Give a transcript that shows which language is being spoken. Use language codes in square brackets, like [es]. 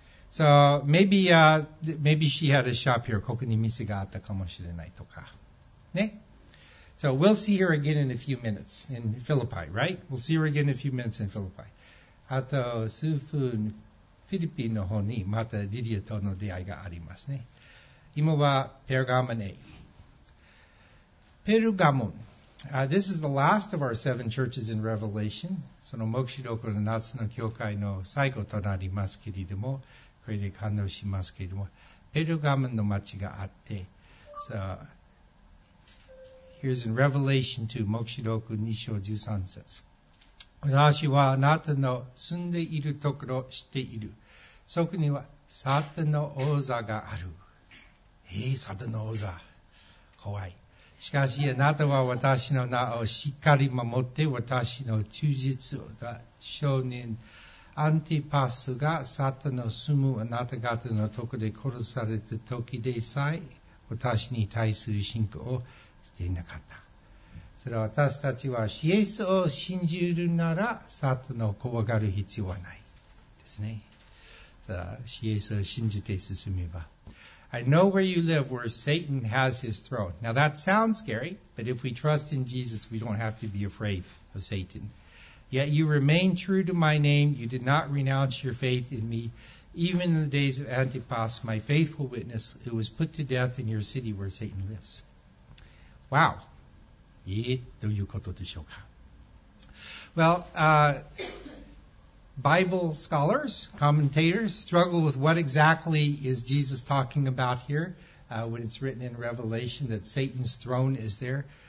[en] So, maybe she had a shop here, [ja] ここに店があったかもしれないとか、ね? [en] So, we'll see her again in a few minutes in Philippi, right? We'll see her again in a few minutes in Philippi. [ja] あと、数分、フィリピンの方にまた Lydia との出会いがありますね。今はペルガモンへ。ペルガモン。 [en] This is the last of our seven churches in Revelation. [ja] その黙示録の夏の教会の最後となりますけれども、これで感動しますけれども、ペルガモンの町があって、 [en] So, here's in Revelation 2, [ja] 黙示録2章13節。私はあなたの住んでいるところを知っている。そこにはサタンの王座がある。サタンの王座、怖い。しかしあなたは私の名をしっかり守って、私の忠実な証人アンティパスがサタンの住むあなた方のところで殺された時でさえ、私に対する信仰を捨てなかった。それは、私たちはイエスを信じるならサタンの怖がる必要はないですね。イエスを信じて進めば、 [en] I know where you live, where Satan has his throne. Now that sounds scary, but if we trust in Jesus, we don't have to be afraid of Satan. Yet you remain true to my name. You did not renounce your faith in me, even in the days of Antipas, my faithful witness, who was put to death in your city where Satan lives. Wow. [ja] どういうことでしょうか? [en] Well, Bible scholars, commentators, struggle with what exactly is Jesus talking about here, when it's written in Revelation that Satan's throne is there.